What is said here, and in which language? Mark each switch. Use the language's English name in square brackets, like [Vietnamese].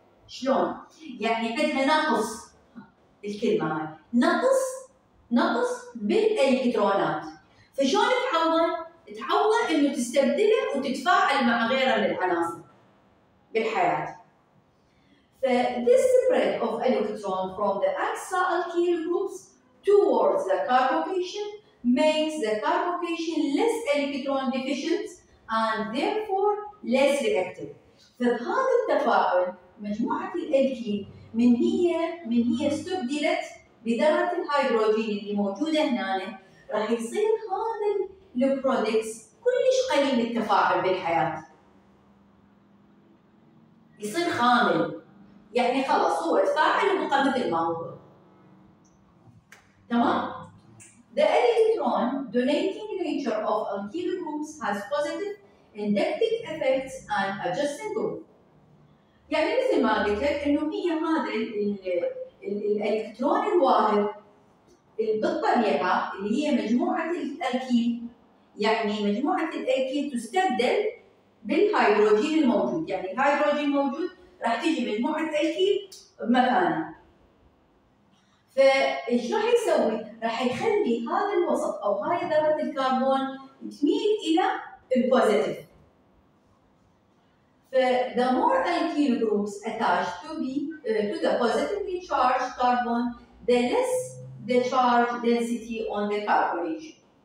[Arabic] شلون؟ يعني عندها نقص، الكلمة هاي نقص بالالكترونات. فشلون تعوض انه تستبدله وتتفاعل مع غيره من العناصر بالحياة. [English] This spread of electron from the extra alkyl groups towards the carbocation makes the carbocation less electron deficient and therefore less reactive. [Arabic] فهذا التفاعل مجموعة الالكين من هي استبدلت بذرة الهيدروجين اللي موجودة هنا، راح يصير هذا البرودكتس كلش قليل التفاعل بالحياة، يصير خامل، يعني خلاص هو تفاعل وبقى مثل ما هو. [English] تمام؟ The electron donating nature of alkyl groups has positive inductive effects on adjacent groups. [Arabic] يعني مثل ما قلت لك انه هي هذا الالكترون الواحد بالطبيعة اللي هي مجموعة الالكين، يعني مجموعة الالكين تستبدل بالهيدروجين الموجود، يعني الهيدروجين موجود راح تيجي مجموعة الالكين بمكانه. فايش راح يسوي؟ راح يخلي هذا الوسط او هاي ذرة الكربون تميل الى البوزيتيف. [English] ف the more alkyl groups attached to the positively charged carbon the less the charge density on the carbonation.